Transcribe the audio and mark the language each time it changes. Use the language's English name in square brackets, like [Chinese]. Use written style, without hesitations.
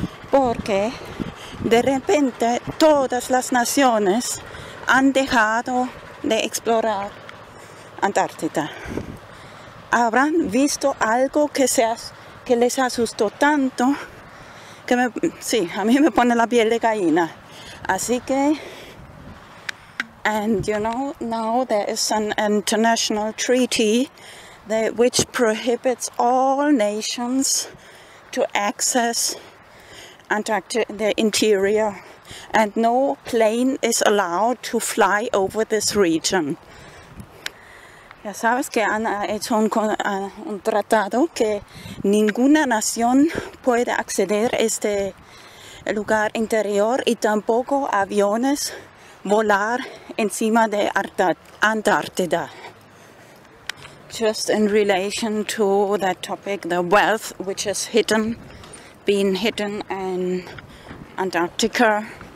[Spanish] Porque de repente todas las naciones han dejado de explorar Antártida. Habrán visto algo que les asustó tanto que a mí me pone la piel de gallina. Así que, [English] and you know, now there is an international treaty which prohibits all nations to access Antarctica, the interior. And no plane is allowed to fly over this region. [Spanish] Ya sabes que han hecho un tratado que ninguna nación puede acceder a este lugar interior y tampoco aviones volar encima de Antártida. [English] Just in relation to that topic, the wealth which is hidden, being hidden in Antarctica.